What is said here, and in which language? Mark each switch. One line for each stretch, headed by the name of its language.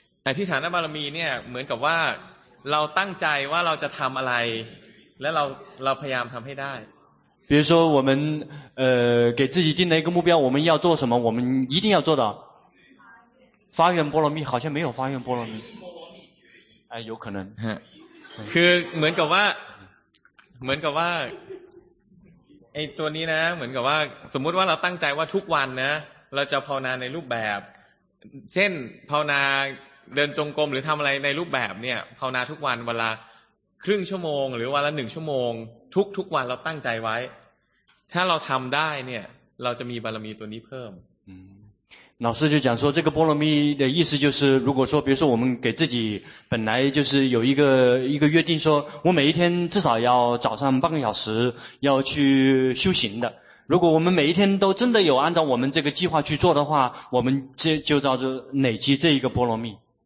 Thai: อธิษฐานบารมีเนี่ยเหมือนกับว่าเราตั้งใจว่าเราจะทำอะไรและเราพยายามทำให้ได้
Chinese: 比如说我们给自己定了一个目标我们要做什么我们一定要做到发愿波罗蜜好像没有发愿波罗蜜哎，有可能。
Thai: คือเหมือนกับว่าเหมือนกับว่าไอ้ตัวนี้นะเหมือนกับว่าสมมติว่าเราตั้งใจว่าทุกวันนะเราจะภาวนาในรูปแบบเช่นภาวนาเดินจงกรมหรือทำอะไรในรูปแบบเนี่ยภาวนาทุกวันเวลาครึ่งชั่วโมงหรือวันละหนึ่งชั่วโมงทุกวันเราตั้งใจไว้ถ้าเราทำได้เนี่ยเราจะมีบารมีตัวนี้เพิ่ม
Chinese: 老师就讲说，这个波罗蜜的意思就是，如果说，比如说我们给自己本来就是有一个约定说，说我每一天至少要早上半个小时要去修行的。如果我们每一天都真的有按照我们这个计划去做的话，我们这就叫做累积这一个波罗蜜。